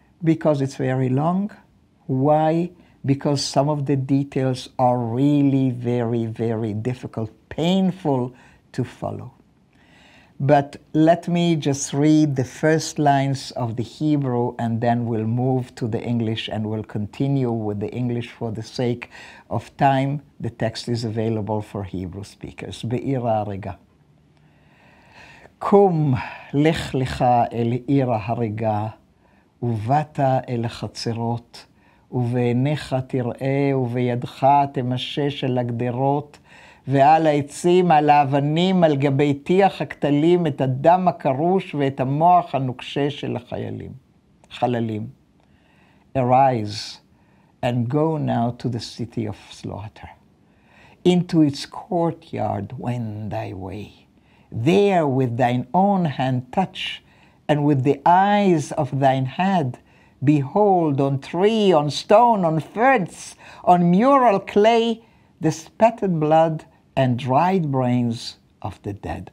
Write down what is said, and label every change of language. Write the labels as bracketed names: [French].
[English] Because it's very long. Why? Because some of the details are really very, very difficult, painful to follow. But let me just read the first lines of the Hebrew, and then we'll move to the English and we'll continue with the English for the sake of time. The text is available for Hebrew speakers. [Hebrew] Be'ir ha'ariga. Kum lech lecha el ir ha'ariga uvata el chatzirot uve'enecha tir'eh uve'yadcha temashesh el agderot ועל העצים, על האבנים, על גבי טיח הקטלים, את הדם הקרוש ואת המוח הנוקשה של החיילים, חללים. [English] Arise and go now to the city of slaughter. Into its courtyard wend thy way. There with thine own hand touch and with the eyes of thine head, behold on tree, on stone, on ferns, on mural clay, the spattered blood and dried brains of the dead.